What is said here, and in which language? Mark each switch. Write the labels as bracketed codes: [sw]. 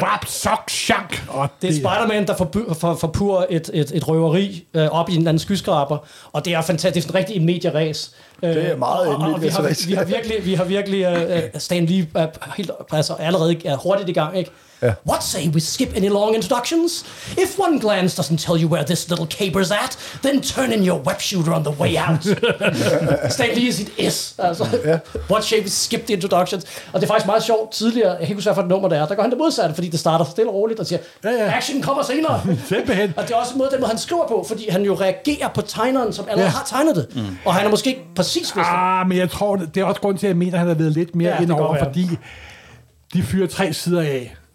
[da] bap, sok, shank, og det er Spider-Man, der forpurer et røveri op i en anden skyskraber, og det er fantastisk. Det er en rigtig medieræs. Det er meget endeligt. Vi har virkelig Stan Lee allerede hurtigt i gang, ikke? [en] Yeah. What say we skip any long introductions? If one glance doesn't tell you where this little caper's at, then turn in your web shooter on the way out. Stan Lee is it is. Altså, yeah. What say we skip the introductions? [da] Og det er faktisk meget sjovt tidligere, jeg kan ikke huske, hvad for et nummer det er, der går han det modsatte, fordi det starter stille og roligt og siger, action kommer senere. Simpelthen. Og det er også en måde, den måde, han skriver på, fordi han jo reagerer på tegneren, som allerede har tegnet det. Mm. Og han er måske ikke præcis vist. Men jeg tror, det er også grund til, at jeg mener, at han har været lidt mere indover, fordi de fyrer tre sider af.